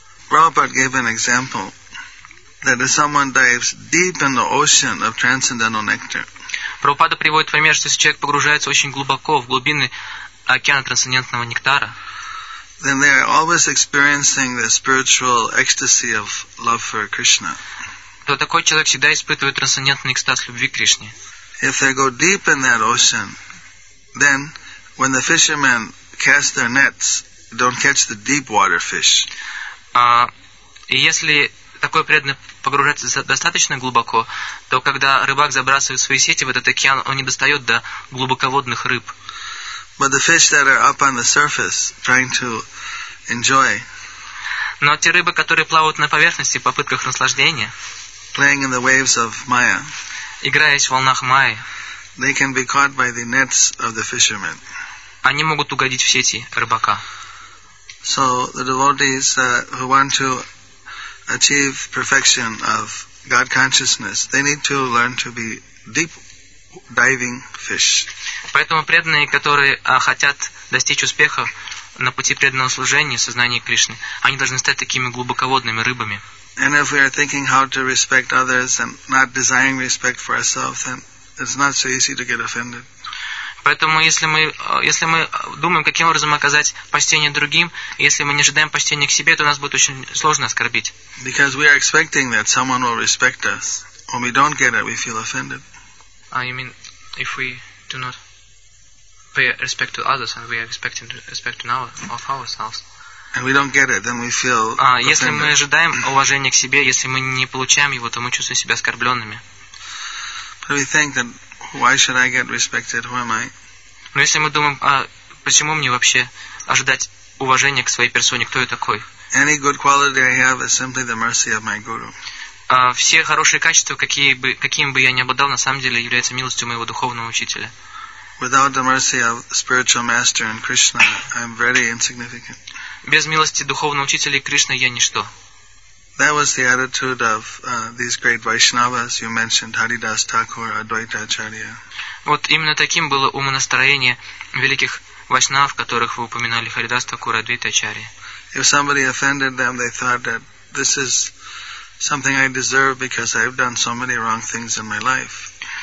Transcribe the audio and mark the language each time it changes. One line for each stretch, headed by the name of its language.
English: Prabhupada gave an example that if someone dives deep in the ocean of transcendental nectar.
Russian: Прабхупада приводит пример, что если человек погружается очень глубоко в глубины океана трансцендентного нектара,
English: then they are always experiencing the spiritual ecstasy of love for Krishna.
Russian: То такой человек всегда испытывает трансцендентный экстаз любви к Кришне.
English: If they go deep in that ocean, then when the fishermen cast their nets, don't catch the deep water fish.
Russian: И если такой преданный погружается достаточно глубоко, то когда рыбак забрасывает свои сети в этот океан, он не достает до глубоководных рыб.
English: But the fish that are up on the surface, trying to enjoy.
Russian: Но те рыбы, которые плавают на поверхности в попытках наслаждения,
English: playing in the waves of Maya,
Russian: играясь в волнах Майи,
English: they can be caught by the nets of the fishermen.
Russian: Они могут угодить в сети рыбака.
English: So the devotees who want to achieve perfection of God consciousness, they need to learn to be deep diving fish.
Russian: Поэтому преданные, которые хотят достичь успеха на пути преданного служения, сознания Кришны, они должны стать такими глубоководными рыбами.
English: And if we are thinking how to respect others and not desiring respect for ourselves, then it's not so easy to get offended.
Russian: Поэтому если мы думаем, каким образом оказать почтение другим, если мы не ожидаем почтения к себе, то нас будет очень сложно оскорбить.
English: Because we are expecting that someone will respect us. When we don't get it, we feel offended. You mean if we do not pay respect to others and we are expecting respect of ourselves? And we don't get it, then we feel offended.
Russian: Если мы ожидаем уважения к себе, если мы не получаем его, то мы чувствуем себя оскорбленными.
English: But we think that why should I get respected? Who am I?
Russian: Но если мы думаем, почему мне вообще ожидать уважения к своей персоне? Кто я такой?
English: Any good quality I have is simply the mercy of my guru.
Russian: Все хорошие качества, каким бы я ни обладал, на самом деле являются милостью моего духовного учителя.
English: Without the mercy of spiritual master and Krishna, I'm very insignificant.
Russian: Без милости духовного учителя и Кришны я ничто.
English: That was the attitude of these great Vaishnavas you mentioned, Haridas Thakur, Advaita Acharya.
Russian: Вот именно таким было умонастроение великих вайшнав, которых вы упоминали, Харидас Такура, Адвайта Ачарья.
English: If somebody offended them, they thought that this is something I deserve because I've done so many wrong things in my life.